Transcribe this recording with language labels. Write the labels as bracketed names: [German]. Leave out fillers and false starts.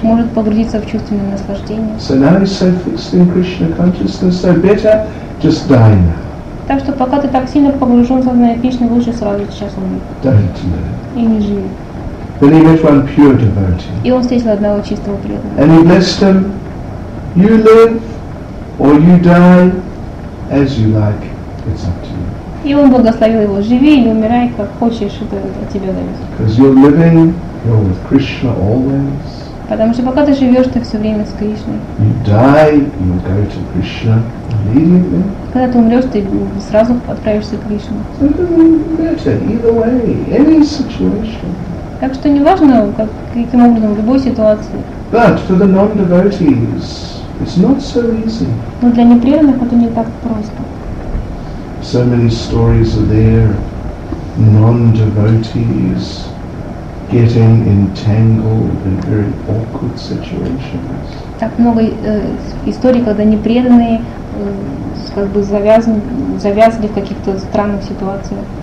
[Russian] Может погрузиться в чувственное наслаждение. [English] So now he's so fixed in Krishna consciousness, so better just die now. [Russian] Так что пока ты так сильно погружен в сознание Кришны, лучше сразу сейчас умереть. [English] Don't live. [Russian] И не живи. [English] Then he met one pure devotee. [Russian] И он встретил одного чистого преданного. [English] And he blessed him. You live or you die as you like. It's up to you. [Russian] И он благословил его: живи или умирай, как хочешь, это от тебя зависит. [English] Because you're living, you're with Krishna always. [Russian] Потому что пока ты живешь, ты все время с Кришной. [English] You die, you go to Krishna immediately. [Russian] Когда ты умрешь, ты сразу отправишься к Кришне. [English] So it doesn't matter either way, any situation. [Russian] Так что не важно, каким образом, в любой ситуации. [English] But for the non-devotees, it's not so easy. [Russian] Но для непреданных это не так просто. [English] So many stories are there, non-devotees getting entangled in very awkward situations. [Russian] Так много историй, когда непреданные как бы завязли в каких-то странных ситуациях.